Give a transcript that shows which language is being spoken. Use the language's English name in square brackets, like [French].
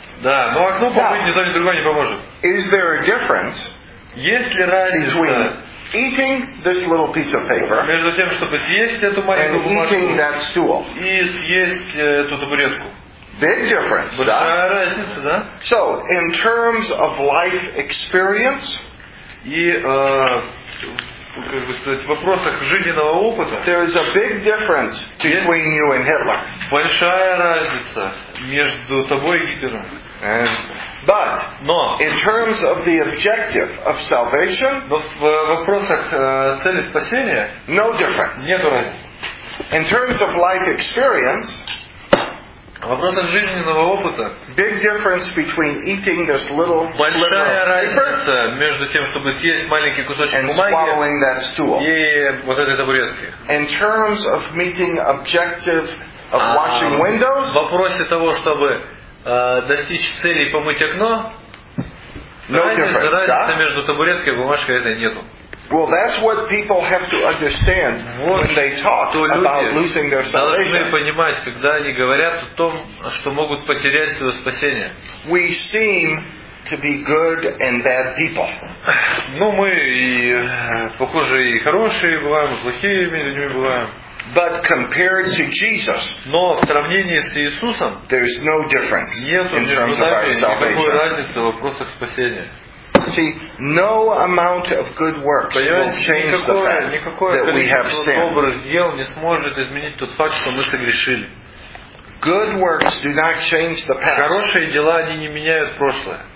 [Russian] Да, но окно помыть ни то ни другое не поможет. [English] Is there a difference? [Russian] Есть ли разница? [English] Eating this little piece of paper. [Russian] Между тем, чтобы съесть эту маленькую бумажку. [English] And eating that stool. [Russian] И съесть эту табуретку. [English] Big difference. [Russian] Большая разница, да? [English] So, in terms of life experience. [Russian] И в вопросах жизненного опыта. [English] There is a big difference between you and Hitler. [Russian] Большая разница между тобой и Гитлером. [English] But [Russian] Но, [English] in terms of the objective of salvation, [Russian] в вопросах цели спасения, [English] no difference. [Russian] Нет разницы. [English] In terms of life experience, [Russian] в вопросах жизненного опыта, [English] big difference between eating this little [Russian] большая разница между тем, чтобы съесть маленький кусочек [English] and [Russian] бумаги [English] swallowing that stool. [Russian] И вот этой табуретки. [English] In terms of meeting objective of washing windows, [Russian] в вопросе того, чтобы достичь цели помыть окно, [English] no [Russian] разницы между табуреткой и бумажкой этой нету. [English] Well, that's what people have to understand when they talk about losing their salvation. [Russian] Должны понимать, когда они говорят о том, что могут потерять свое спасение. [English] We seem to be good and bad people. [Russian] Ну, мы и похоже и хорошие бываем, и плохими людьми бываем. [English] But compared to Jesus, [Russian] но в сравнении с Иисусом, [English] there is no difference in terms of our salvation. [Russian] Нет никакой разницы в вопросах спасения. [English] See, no amount of good works will change the fact that we have sinned. [Russian] Никакое добрых дел не сможет изменить тот факт, что мы согрешили. [English] Good works do not change the past. [Russian] Хорошие дела они не меняют прошлое.